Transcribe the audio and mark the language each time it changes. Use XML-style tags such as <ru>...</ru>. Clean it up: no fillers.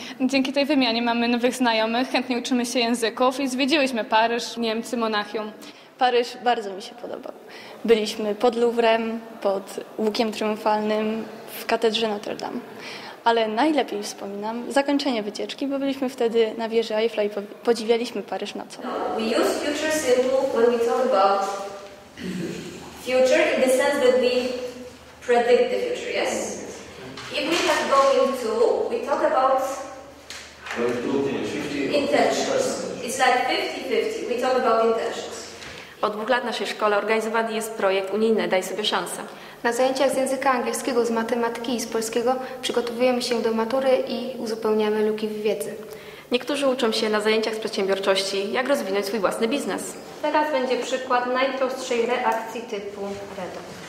<pl>Dzięki tej wymianie mamy nowych znajomych, chętnie uczymy się języków i zwiedziłyśmy Paryż, Niemcy, Monachium. Paryż bardzo mi się podobał. Byliśmy pod Louvrem, pod Łukiem Triumfalnym, w katedrze Notre Dame. Ale najlepiej wspominam zakończenie wycieczki, bo byliśmy wtedy na wieży Eiffla i podziwialiśmy Paryż nocą.</pl> <en>We use future simple when we talk about future in the sense that we predict the future, yes? If we have going to, we talk about intentions. It's like 50-50, we talk about intentions.</en> <pl>Od 2 lat w naszej szkole organizowany jest projekt unijny Daj sobie szansę. Na zajęciach z języka angielskiego, z matematyki i z polskiego przygotowujemy się do matury i uzupełniamy luki w wiedzy. Niektórzy uczą się na zajęciach z przedsiębiorczości, jak rozwinąć swój własny biznes. Teraz będzie przykład najprostszej reakcji typu redox.</pl>